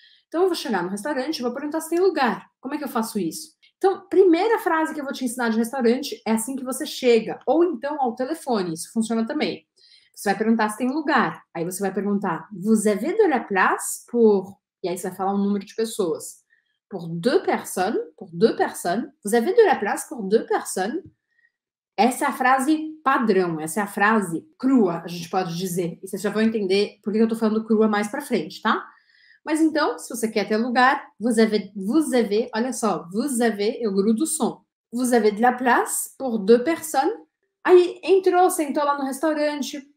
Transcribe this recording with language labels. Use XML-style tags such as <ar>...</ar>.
<pt>Então, eu vou chegar no restaurante e vou perguntar se tem lugar. Como é que eu faço isso? Então, primeira frase que eu vou te ensinar de restaurante é assim que você chega. Ou então ao telefone, isso funciona também. Você vai perguntar se tem lugar. Aí você vai perguntar,</pt> <fr>vous avez de la place pour...</fr> <pt>E aí você vai falar o um número de pessoas.</pt> <fr>Por deux personnes, vous avez de la place pour deux personnes.</fr> <pt>Essa é a frase padrão, essa é a frase crua, a gente pode dizer. E vocês já vão entender por que eu tô falando crua mais pra frente, tá? Mas então, se você quer ter lugar,</pt> <fr>vous avez,</fr> <pt>olha só, vous avez, eu grudo o som.</pt> <fr>Vous avez de la place pour deux personnes.</fr> <pt>Aí entrou, sentou lá no restaurante,</pt>